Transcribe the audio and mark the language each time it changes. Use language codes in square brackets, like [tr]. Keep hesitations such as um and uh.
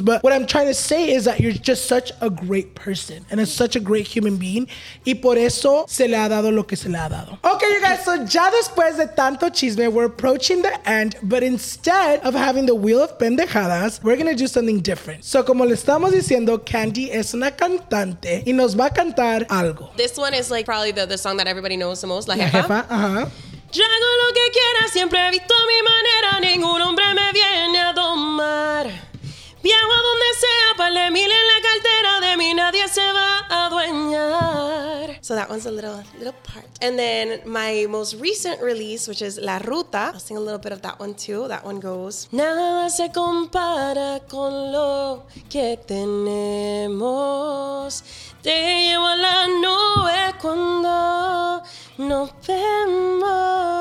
[en] But what I'm trying to say is that you're just such a great person, and it's such a great human being. [es] Y por eso se le ha dado lo que se le ha dado. [en] Okay, you guys. So [es] ya después de tanto chisme, [en] we're approaching the end. But instead of having the wheel of pendejadas, we're gonna do something different. [es] So como le estamos diciendo, Candy es una cantante y nos va a cantar algo. [en] This one is like probably the, the song that everybody knows the most, La Jefa. [es] Jefa, ajá. Yo hago lo que quiera, siempre he visto mi manera, ningún hombre me viene a domar. Viajo a donde sea, par de mil en la cartera, de mí nadie se va a adueñar. [en] So that one's a little little part. And then my most recent release, which is La Ruta, I'll sing a little bit of that one too. That one goes. [es] Nada se compara con lo que tenemos. Te llevo a la nube cuando nos vemos.